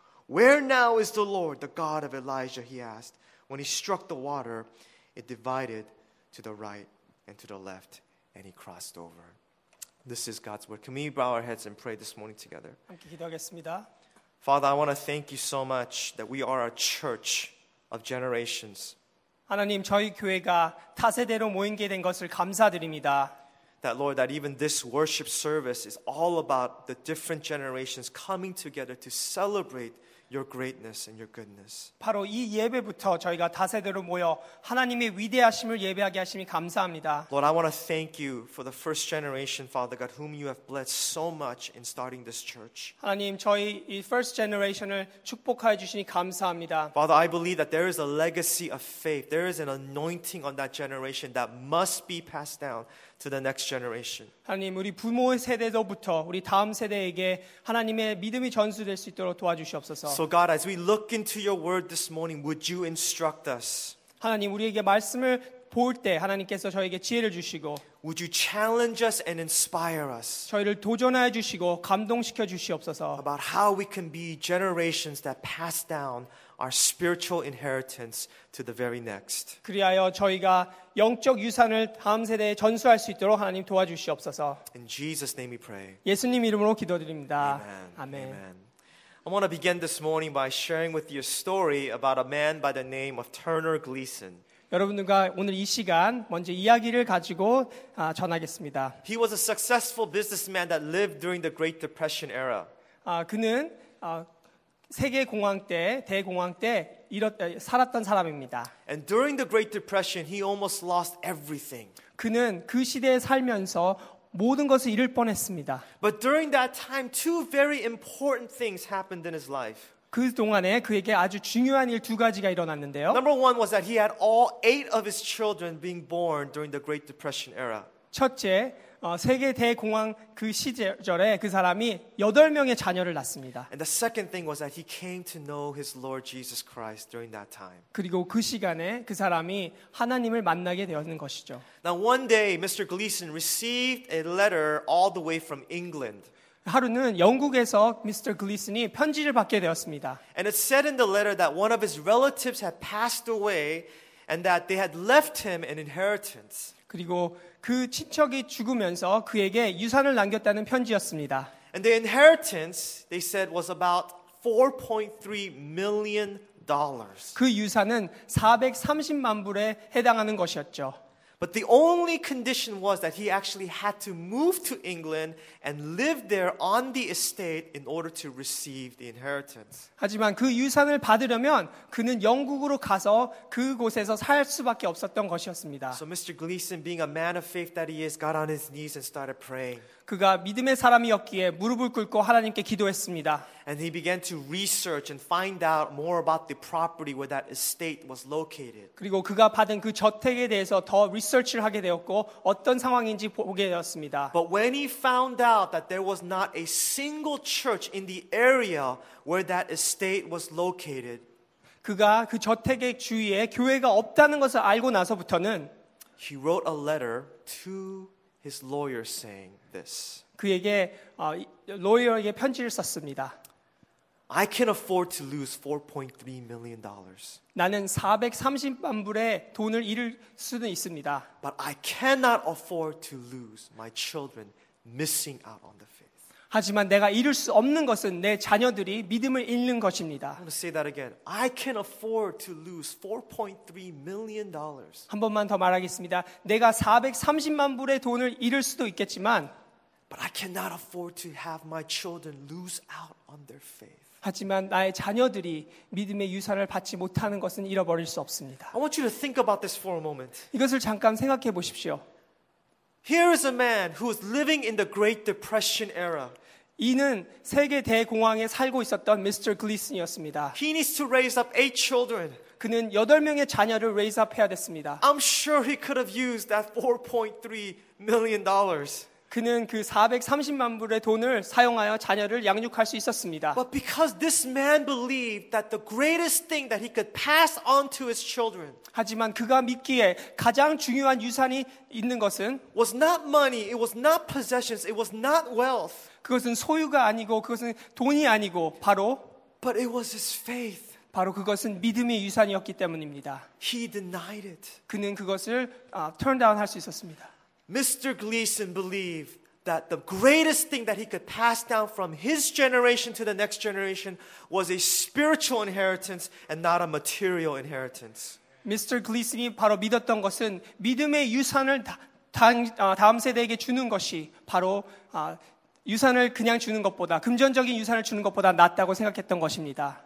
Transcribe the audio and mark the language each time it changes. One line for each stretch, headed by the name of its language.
English: Where now is the Lord, the God of Elijah? He asked. When he struck the water, it divided to the right and to the left, and he crossed over. This is God's word. Can we bow our heads and pray this morning together?
Korean: 함께 기도하겠습니다.
English: Father, I want to thank you so much that we are a church of generations.
Korean: 하나님, 저희 교회가 타세대로 모인 게 된 것을 감사드립니다.
English: That Lord, that even this worship service is all about the different generations coming together to celebrate your greatness and your goodness.
Korean: 바로 이 예배부터 저희가 다세대로 모여 하나님의 위대하심을 예배하게 하심이 감사합니다.
English: Lord, I want to thank you for the first generation, Father God, whom you have blessed so much in starting this church.
Korean: 하나님, 저희 이
English: first generation
Korean: 을 축복하여 주시니 감사합니다.
English: Father, I believe that there is a legacy of faith. There is an anointing on that generation that must be passed down to the next generation.
Korean: 하나님, 우리 부모의 세대로부터 우리 다음 세대에게 하나님의 믿음이 전수될 수 있도록 도와주시옵소서.
English: So God, as we look into your word this morning, would you instruct us?
Korean: 하나님, 우리에게 말씀을 볼 때 하나님께서 저에게 지혜를 주시고,
English: would you challenge us and inspire us?
Korean: 저희를 도전하여 주시고 감동시켜 주시옵소서.
English: About how we can be generations that pass down our spiritual inheritance to the very next.
Korean: 그리하여 저희가 영적 유산을 다음 세대에 전수할 수 있도록 하나님 도와주시옵소서.
English: In Jesus' name we pray.
Korean: 예수님 이름으로 기도드립니다.
English: Amen. Amen. I want to begin this morning by sharing with you a story about a man by the name of Turner Gleason.
Korean: 여러분들과 오늘 이 시간 먼저 이야기를 가지고 전하겠습니다.
English: He was a successful businessman that lived during the Great Depression era.
Korean: 그는 세계 공황 때 대공황 때 살았던 사람입니다.
English: And during the Great Depression, he almost lost everything.
Korean: 그는 그 시대에 살면서 모든 것을 잃을 뻔했습니다.
English: But during that time, two very important things happened in his life.
Korean: 그 동안에 그에게 아주 중요한 일 두 가지가 일어났는데요.
English: Number one was that he had all eight of his children being born during the Great Depression era.
Korean: 첫째, 세계 대공황 그 시절에 그 사람이 여덟 명의 자녀를 낳습니다.
English: And the second thing was that he came to know his Lord Jesus Christ during that time.
Korean: 그리고 그 시간에 그 사람이 하나님을 만나게 되었는 것이죠.
English: Now one day, Mr. Gleason received a letter all the way from England.
Korean: 하루는 영국에서 미스터 글리슨이 편지를 받게 되었습니다.
English: And it said in the letter that one of his relatives had passed away and that they had left him an inheritance.
Korean: 그리고 그 친척이 죽으면서 그에게 유산을 남겼다는 편지였습니다.
English: And the inheritance, they said, was about $4.3 million.
Korean: 그 유산은 430만 불에 해당하는 것이었죠.
English: But the only condition was that he actually had to move to England and live there on the estate in order to receive the inheritance.
Korean: 하지만 그 유산을 받으려면 그는 영국으로 가서 그곳에서 살 수밖에 없었던 것이었습니다.
English: So Mr. Gleason, being a man of faith that he is, got on his knees and started praying.
Korean: 그가 믿음의 사람이었기에 무릎을 꿇고 하나님께 기도했습니다.
English: And he began to research and find out more about the property where that estate was located.
Korean: 그리고 그가 받은 그 저택에 대해서 더 리서치를 하게 되었고 어떤 상황인지 보게 되었습니다.
English: But when he found out that there was not a single church in the area where that estate was located,
Korean: 그가 그 저택의 주위에 교회가 없다는 것을 알고 나서부터는
English: he wrote a letter to his lawyer saying this.
Korean: 그에게 로이어에게 편지를 썼습니다.
English: I can afford to lose $4.3 million.
Korean: 나는 430만 불의 돈을 잃을 수는 있습니다.
English: But I cannot afford to lose my children missing out on the faith.
Korean: 하지만 내가 잃을 수 없는 것은 내 자녀들이 믿음을 잃는 것입니다.
English: I'm going to say that again. I can afford to lose $4.3 million.
Korean: 한 번만 더 말하겠습니다. 내가 430만 불의 돈을 잃을 수도 있겠지만,
English: but I cannot afford to have my children lose out on their faith.
Korean: 하지만 나의 자녀들이 믿음의 유산을 받지 못하는 것은 잃어버릴 수 없습니다.
English: I want you to think about this for a moment.
Korean: 이것을 잠깐 생각해 보십시오.
English: Here is a man who is living in the Great Depression era.
Korean: 이는 세계 대공황에 살고 있었던 Mr. Gleason이었습니다.
English: He needs to raise up eight children.
Korean: 그는 여덟 명의 자녀를 레이즈업해야 됐습니다.
English: I'm sure he could have used that $4.3 million.
Korean: 그는 그 430만 불의 돈을 사용하여 자녀를 양육할 수 있었습니다.
English: But because this man believed that the greatest thing that he could pass on to his children.
Korean: 하지만 그가 믿기에 가장 중요한 유산이 있는 것은
English: was not money, it was not possessions, it was not wealth.
Korean: 그것은 소유가 아니고 그것은 돈이 아니고 바로
English: but it was his faith.
Korean: 바로 그것은 믿음의 유산이었기 때문입니다.
English: He denied it.
Korean: 그는 그것을
English: turn down
Korean: 할 수 있었습니다.
English: Mr. Gleason believed that the greatest thing that he could pass down from his generation to the next generation was a spiritual inheritance and not a material inheritance. Mr.
Korean: Gleason이 바로 믿었던 것은 믿음의 유산을 다음 세대에게 주는 것이 바로 유산을 그냥 주는 것보다 금전적인 유산을 주는 것보다 낫다고 생각했던 것입니다.